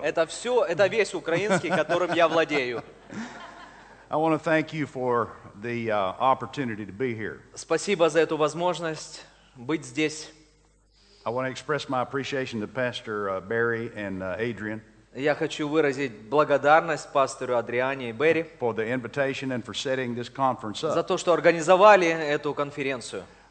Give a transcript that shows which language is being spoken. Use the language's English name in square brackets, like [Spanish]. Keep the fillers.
[Russian] Это все, это весь украинский, которым я владею. [English] I want to thank you for the uh, opportunity to be here. [Russian] Спасибо за эту возможность быть здесь. [English] I want to express my appreciation to Pastor uh, Barry and uh, Adrian. [Russian] Я хочу выразить благодарность пастору Адриане и Берри за то, что организовали эту конференцию.